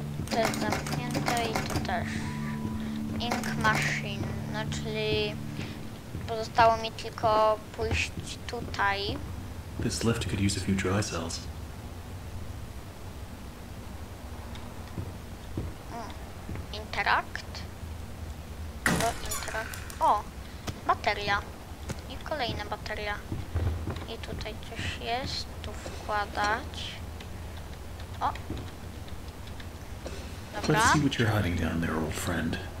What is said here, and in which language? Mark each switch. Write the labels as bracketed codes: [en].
[pl] To jest zamknięte i to też. Ink Machine, no czyli pozostało mi tylko pójść tutaj. [en] This lift could use a few dry cells. Interact. Do interact. [pl] O, bateria. I kolejna bateria. I tutaj coś jest, tu wkładać. O. Dobra. [en] Let's see what you're hiding down there, old friend.